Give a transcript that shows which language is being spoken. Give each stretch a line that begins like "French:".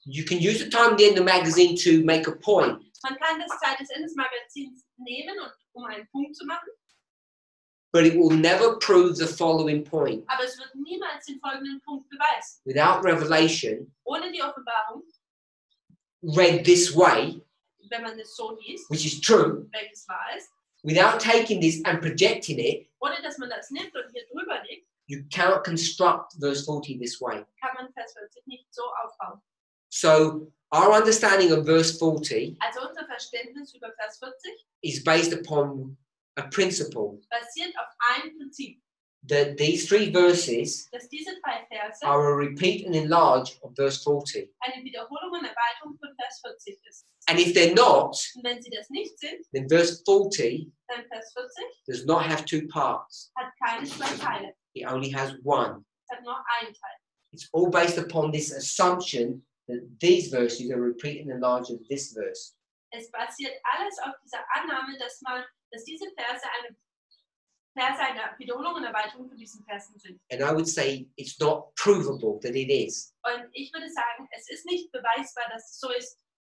English: You can use the time at the end of the magazine to make a point.
German: Man kann das Zeit des Endes Magazins nehmen, und, um einen Punkt zu machen.
English: But it will never prove the following point.
German: Aber es wird niemals den folgenden Punkt beweisen.
English: Without revelation,
German: ohne die Offenbarung,
English: read this way,
German: wenn man es so liest,
English: which is true,
German: wenn es wahr ist,
English: without taking this and projecting it,
German: ohne dass man das nimmt und hier drüber legt,
English: you cannot construct verse 14 this way.
German: Kann man Vers 14 nicht so aufbauen.
English: So, our understanding of verse 40,
German: also unser Verständnis über Vers 40,
English: is based upon a principle.
German: Basiert auf einem Prinzip.
English: That these three verses,
German: dass diese drei Verse,
English: are a repeat and enlarge of verse 40.
German: Eine Wiederholung und Erweiterung von Vers 40 ist.
English: And if they're not,
German: und wenn sie das nicht sind,
English: then verse 40,
German: dann Vers 40
English: does not have two parts.
German: Hat keine zwei Teile.
English: It only has one.
German: Hat nur einen Teil.
English: It's all based upon this assumption that these verses are repeating the knowledge of this verse.
German: Es basiert alles auf dieser Annahme, dass diese Verse eine Wiederholung und Erweiterung von diesen Versen sind.
English: And I would say it's not provable that it is.
German: Und ich würde sagen, es ist nicht beweisbar, dass es so ist.